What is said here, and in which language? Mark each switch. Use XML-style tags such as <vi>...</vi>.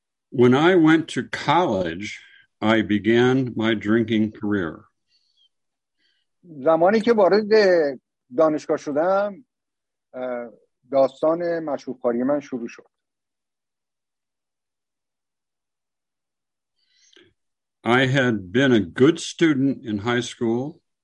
<en>When I went to college, I began my drinking career.</en> <fa>زمانی که وارد دانشگاه شدم، داستان مشروبخوری من شروع شد.</fa> <en>I had been a good student in high school.</en>